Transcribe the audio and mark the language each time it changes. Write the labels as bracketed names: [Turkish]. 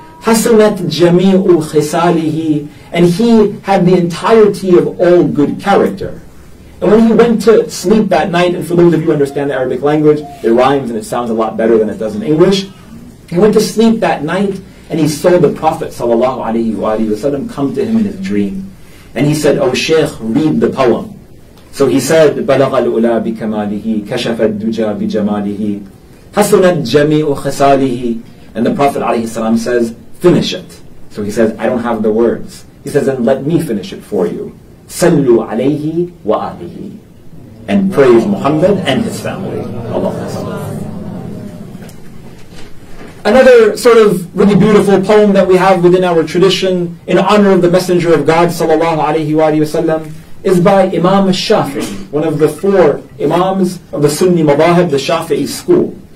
[Arabic] حَسَنَتْ جَمِيعُ خِسَالِهِ, [English] and he had the entirety of all good character. And when he went to sleep that night, and for those of you who understand the Arabic language, it rhymes and it sounds a lot better than it does in English. He went to sleep that night, and he saw the Prophet ﷺ come to him in his dream. And he said, "Oh Shaykh, read the poem." So he said, [Arabic] "بَلَغَ الْأُولَى بِكَمَالِهِ كَشَفَ الدُّجَى بِجَمَالِهِ حَسُنَتْ جَمِيعُ خِسَالِهِ." [English] And the Prophet ﷺ says, "Finish it." So he says, "I don't have the words." He says, "Then let me finish it for you." [Arabic] Sallu alayhi wa alihi, [English] and praise Muhammad and his family. Allah has. Another sort of really beautiful poem that we have within our tradition in honor of the Messenger of God [Arabic] sallallahu alayhi wa sallam [English] is by Imam Shafi'i, one of the four Imams of the Sunni Madhahib, the Shafi'i school.